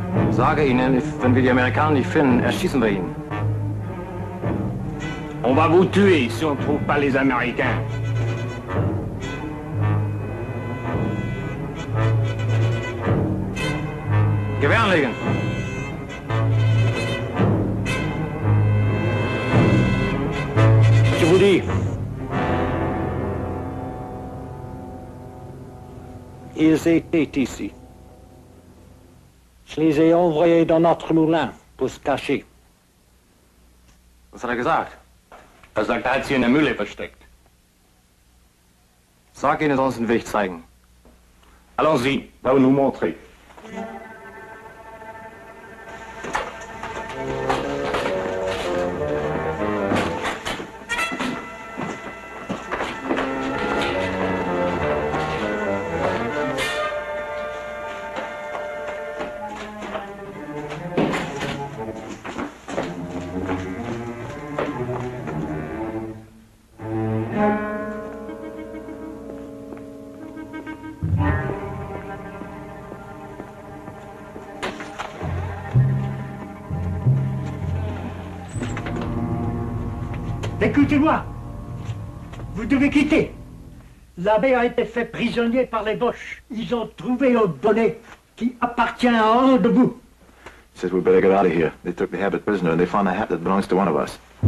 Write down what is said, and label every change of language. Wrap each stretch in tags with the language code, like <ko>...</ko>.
<de>Sage ihnen, wenn wir die Amerikaner nicht finden, erschießen wir ihn.</de> <fr>On va vous tuer, si on trouve pas les Américains.</fr> <de>Gewehr anlegen!</de> <fr>Je vous dis. Ils étaient ici. Je les ai envoyés dans notre moulin pour se cacher.</fr> <de>Was hat er gesagt? Er sagt, er hat sie in der Mühle versteckt. Sag ihnen sonst den Weg zeigen.</de> <fr>Allons-y, va nous montrer. Écoutez-moi. Vous devez quitter. L'abbé a été fait prisonnier par les Boches. Ils ont trouvé un bonnet qui appartient à un de vous.</fr> <en>He said we better get out of here. They took the habit prisoner and they found a hat that belongs to one of us.</en>